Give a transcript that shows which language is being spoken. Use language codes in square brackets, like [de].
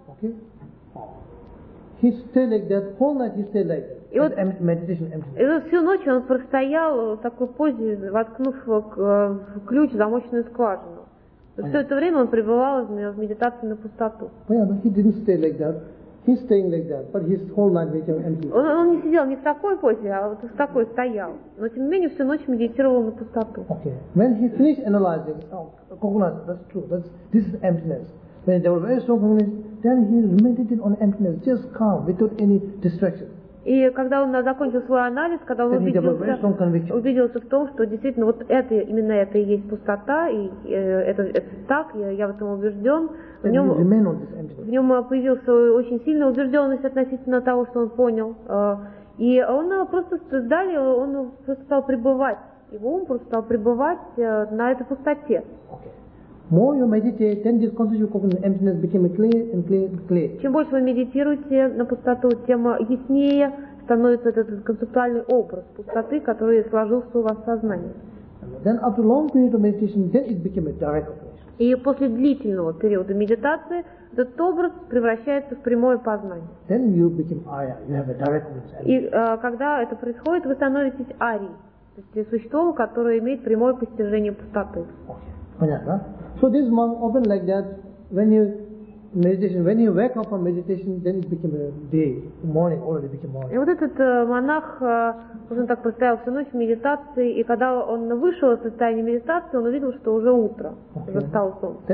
[en] Okay. He stayed like that whole night. He stayed like that. Meditation emptiness. [ru] И вот всю ночь он простоял в такой позе, воткнув ключ в замочную скважину. Все это время он пребывал в медитации на пустоту. Понятно. [en] He didn't stay like that. He's staying like that, but his whole night became empty. [ru] Он не сидел не в такой позе, а вот в такой стоял. Но тем не менее всю ночь медитировал на пустоту. [en] Okay. When he finished analyzing, oh, coconut, that's true. This is emptiness. When there was very strong coconut, then he meditated on emptiness, just calm, without any distraction. [ru] И когда он закончил свой анализ, когда он убедился в том, что действительно вот это именно это и есть пустота, и это так, я в этом убежден, в нем появилась очень сильная убежденность относительно того, что он понял. И он просто далее он просто стал пребывать, его ум просто стал пребывать на этой пустоте. [en] More you meditate, then this concentration of emptiness became clear and clear and clear. [ru] Чем больше вы медитируете на пустоту, тем яснее становится этот концептуальный образ пустоты, который сложился у вас в сознании. [en] Then after long period of meditation, then it became a direct observation. [ru] И после длительного периода медитации этот образ превращается в прямое познание. [en] Then you become Arya. You have a direct observation. [ru] И когда это происходит, вы становитесь Арией, то есть существом, которое имеет прямое постижение пустоты. Понятно? [en] So this monk often like that when you wake up from meditation, then it became a day, morning already became morning. [ru] И вот этот монах, он так простоял всю ночь в медитации, и когда он вышел из состояния медитации, он увидел, что уже утро, уже встал солнце.